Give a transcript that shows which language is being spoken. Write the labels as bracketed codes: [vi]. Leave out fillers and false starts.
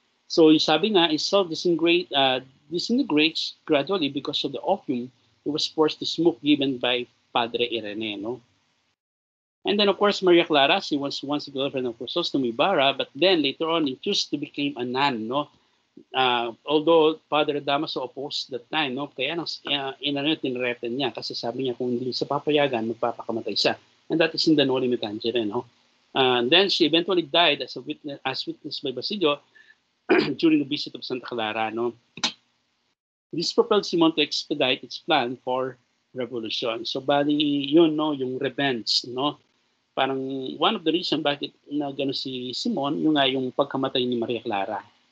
[en] So yung sabi nga, he self disintegrates gradually because of the opium he was forced to smoke given by Padre Irene, no? And then, of course, Maria Clara, she was once the girlfriend of Chrysostom Ibarra, but then later on, he chose to become a nun, no? Although Father Damaso opposed that time, no? [tl] Kaya nang inaretin niya, kasi sabi niya, kung hindi sa papayagan, magpapakamatay siya. [en] And that is in the Noli Metangere, no? Then she eventually died as a witness, as witnessed by Basilio during the visit of Santa Clara, no? This propelled Simon to expedite its plan for revolution. [tl] So, bali, yun, no, yung revenge, no? Parang one of the reasons bakit na gano'n si Simon, yung nga yung pagkamatay ni Maria Clara.